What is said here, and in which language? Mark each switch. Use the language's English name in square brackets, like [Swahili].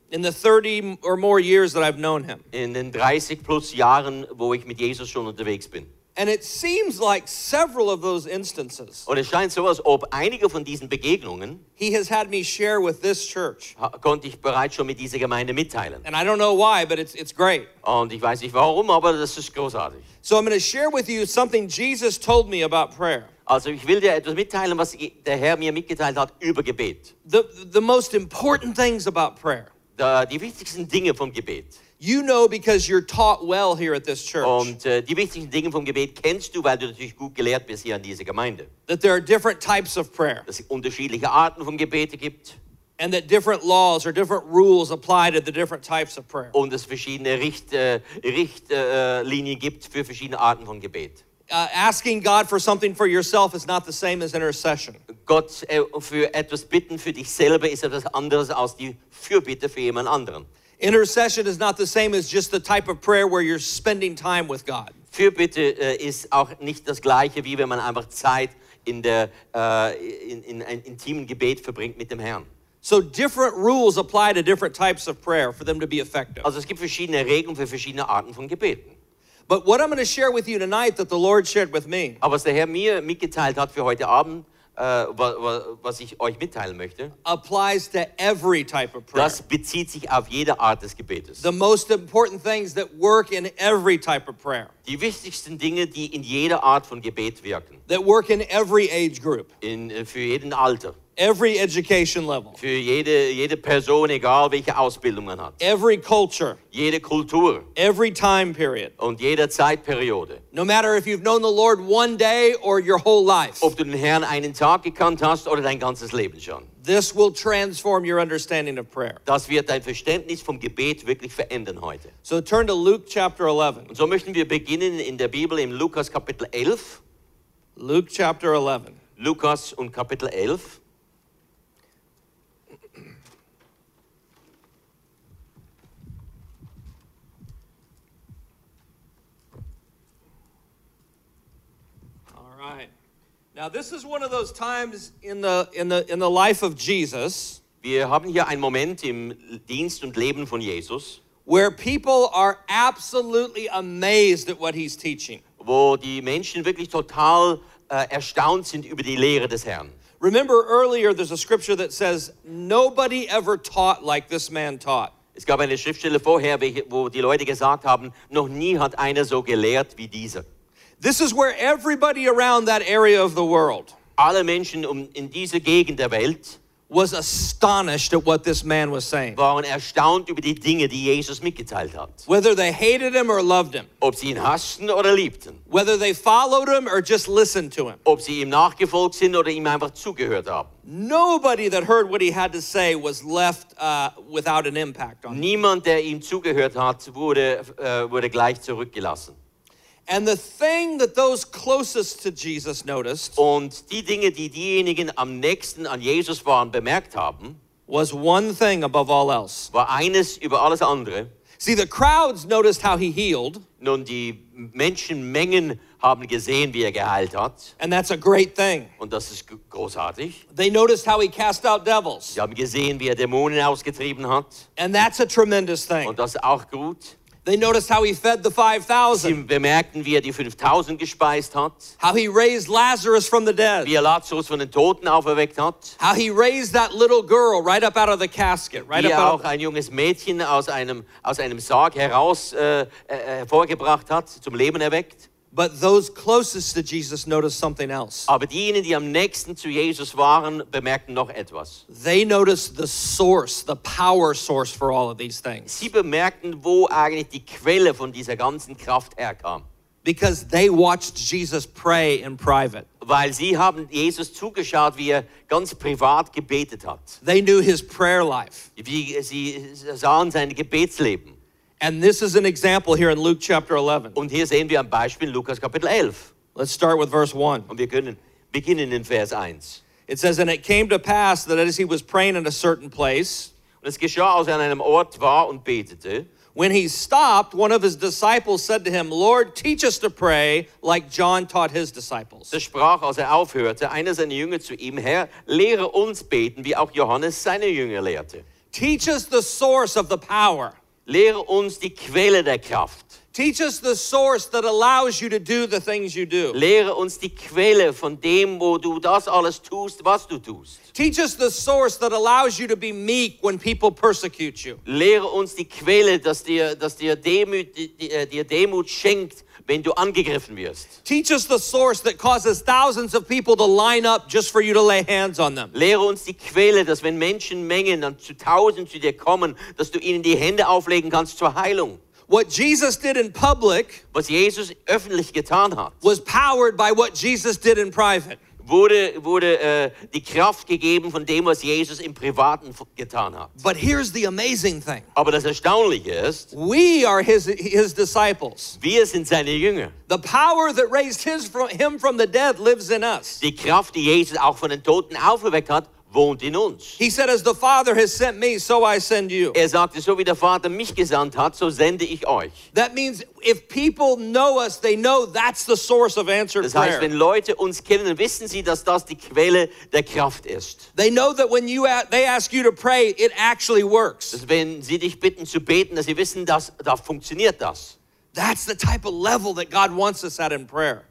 [English] In the 30 or more years that I've known him. [German] In den 30 plus Jahren, wo ich mit Jesus schon unterwegs bin. [English] And it seems like several of those instances. [German] Und es scheint so, als ob einige von diesen Begegnungen. [English] He has had me share with this church. [German] Konnte ich bereits schon mit dieser Gemeinde mitteilen. [English] And I don't know why, but it's great. [German] Und ich weiß nicht warum, aber das ist großartig. [English] So I'm going to share with you something Jesus told me about prayer. [German] Also ich will dir etwas mitteilen, was der Herr mir mitgeteilt hat über Gebet. [English] The most important things about prayer. [German] Die wichtigsten Dinge vom Gebet. [English] You know because you're taught well here at this church. [German] Und die wichtigsten Dinge vom Gebet kennst du, weil du natürlich gut gelehrt bist hier in dieser Gemeinde. [English] That there are different types of prayer. [German] Dass es unterschiedliche Arten von Gebete gibt. [English] And that different laws or different rules apply to the different types of prayer. [German] Und es verschiedene Richtlinien gibt für verschiedene Arten von Gebet. [English] Asking God for something for yourself is not the same as intercession. [German] Gott für etwas bitten für dich selber ist etwas anderes als die Fürbitte für jemand anderen. [English] Intercession is not the same as just the type of prayer where you're spending time with God. [German] Fürbitte ist auch nicht das gleiche wie wenn man einfach Zeit in intimen Gebet verbringt mit dem Herrn. [English] So different rules apply to different types of prayer for them to be effective. [German] Also es gibt verschiedene Regeln für verschiedene Arten von Gebeten. [English] But what I'm going to share with you tonight that the Lord shared with me. [German] Aber was der Herr mir mitgeteilt hat für heute Abend, was ich euch mitteilen möchte, [English] applies to every type of prayer. [German] Das bezieht sich auf jede Art des Gebetes. [English] The most important things that work in every type of prayer. [German] Die wichtigsten Dinge, die in jeder Art von Gebet wirken. [English] That work in every age group. [German] In für jeden Alter. [English] Every education level. [German] Für jede Person, egal welche Ausbildung man hat. [English] Every culture. [German] Jede Kultur. [English] Every time period. [German] Und jede Zeitperiode. [English] No matter if you've known the Lord one day or your whole life. [German] Ob du den Herrn einen Tag gekannt hast oder dein ganzes Leben schon. [English] This will transform your understanding of prayer. [German] Das wird dein Verständnis vom Gebet wirklich verändern heute. [English] So turn to Luke chapter 11. [German] Und so möchten wir beginnen in der Bibel im Lukas Kapitel 11. [English] Luke chapter 11. [German] Lukas und Kapitel 11. [English] Right. Now this is one of those times in the life of Jesus. [German] Wir haben hier einen Moment im Dienst und Leben von Jesus, [English] where people are absolutely amazed at what he's teaching. [German] Wo die Menschen wirklich total erstaunt sind über die Lehre des Herrn. [English] Remember earlier there's a scripture that says nobody ever taught like this man taught. [German] Es gab eine Schriftstelle vorher, wo die Leute gesagt haben, noch nie hat einer so gelehrt wie dieser. [English] This is where everybody around that area of the world, [German] alle Menschen in dieser Gegend der Welt, [English] was astonished at what this man was saying. [German] Waren erstaunt über die Dinge, die Jesus mitgeteilt hat. [English] Whether they hated him or loved him. [German] Ob sie ihn hassten oder liebten. [English] Whether they followed him or just listened to him. [German] Ob sie ihm nachgefolgt sind oder ihm einfach zugehört haben. [English] Nobody that heard what he had to say was left without an impact on him. [German] Niemand, der ihm zugehört hat, wurde gleich zurückgelassen. [English] And the thing that those closest to Jesus noticed, [German] und die Dinge, die diejenigen am nächsten an Jesus waren, bemerkt haben, [English] was one thing above all else. [German] War eines über alles andere. [English] See, the crowds noticed how he healed. [German] Nun, die Menschenmengen haben gesehen, wie geheilt hat. [English] And that's a great thing. [German] Und das ist großartig. [English] They noticed how he cast out devils. [German] Sie haben gesehen, wie Dämonen ausgetrieben hat. [English] And that's a tremendous thing. [German] Und das ist auch gut. [English] They noticed how he fed the 5,000. [German] Sie bemerkten, wie die 5,000 gespeist hat. [English] How he raised Lazarus from the dead. [German] Wie Lazarus von den Toten auferweckt hat. [English] How he raised that little girl right up out of the casket. Right [German] wie [English] up [German] auch ein junges Mädchen aus einem Sarg heraus hervorgebracht hat, zum Leben erweckt. [English] But those closest to Jesus noticed something else. [German] Aber diejenigen, die am nächsten zu Jesus waren, bemerkten noch etwas. [English] They noticed the source, the power source for all of these things. [German] Sie bemerkten, wo eigentlich die Quelle von dieser ganzen Kraft herkam. [English] Because they watched Jesus pray in private. [German] Weil sie haben Jesus zugeschaut, wie ganz privat gebetet hat. [English] They knew his prayer life. [German] Wie sie sahen sein Gebetsleben. [English] And this is an example here in Luke chapter 11. [German] Und hier sehen wir ein Beispiel in Lukas Kapitel 11. [English] Let's start with verse 1. [German] Und wir können beginnen in Vers 1. [English] It says, and it came to pass that as he was praying in a certain place, [German] und es geschah, als er an einem Ort war und betete, [English] when he stopped, one of his disciples said to him, Lord, teach us to pray like John taught his disciples. [German] Da sprach, als er aufhörte, einer seiner Jünger zu ihm, Herr, lehre uns beten, wie auch Johannes seine Jünger lehrte. [English] Teach us the source of the power. [German] Lehre uns die Quelle der Kraft. [English] Teach us the source that allows you to do the things you do. [German] Lehre uns die Quelle von dem, wo du das alles tust, was du tust. [English] Teach us the source that allows you to be meek when people persecute you. [German] Lehre uns die Quelle, dass dir Demut schenkt, wenn du angegriffen wirst. [English] Teach us the source that causes thousands of people to line up just for you to lay hands on them. [German] Lehre uns die Quelle, dass wenn Menschenmengen dann zu tausend zu dir kommen, dass du ihnen die Hände auflegen kannst zur Heilung. [English] What Jesus did in public, [German] was Jesus öffentlich getan hat, [English] was powered by what Jesus did in private. [German] Wurde die Kraft gegeben von dem, was Jesus im Privaten getan hat. [English] But here's the amazing thing. [German] Aber das Erstaunliche ist, [English] we are his disciples. [German] Wir sind seine Jünger. [English] The power that raised him from the dead lives in us. [German] Die Kraft, die Jesus auch von den Toten auferweckt hat, wohnt in uns. [English] He said, as the Father has sent me, so I send you. [German] Er sagte, so wie der Vater mich gesandt hat, so sende ich euch. [English] That means if people know us, they know that's the source of answered [German] prayer. Das heißt, wenn Leute uns kennen, wissen sie, dass das die Quelle der Kraft ist. [English] They know that when they ask you to pray, it actually works. [German] Dass wenn sie dich bitten zu beten, dass sie wissen, dass da funktioniert das. [English] That's the type of level that God wants us at in prayer.